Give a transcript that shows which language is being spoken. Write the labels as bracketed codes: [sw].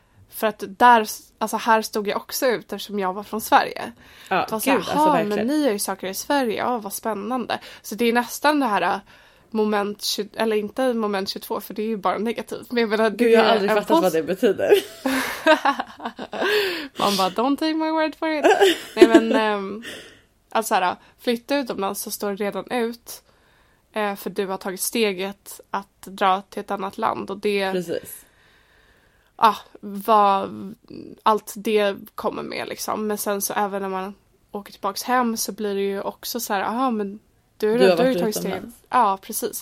[sv] För att där, alltså här stod jag också ut eftersom jag var från Sverige. Ja, var så gud, här, alltså, men ni gör ju saker i Sverige, ja, vad spännande. Så det är nästan det här moment 20, eller inte moment 22, för det är ju bara negativt. Men jag menar, gud, jag har aldrig fattat vad det betyder. Man bara, [en] don't take my word for it. [sv] Nej, men alltså här, flytta utomlands så står det redan ut. För du har tagit steget att dra till ett annat land. Och det, precis. Ja, vad allt det kommer med liksom. Men sen så även när man åker tillbaka hem så blir det ju också så här, aha, men du har tagit steget. Ja, precis.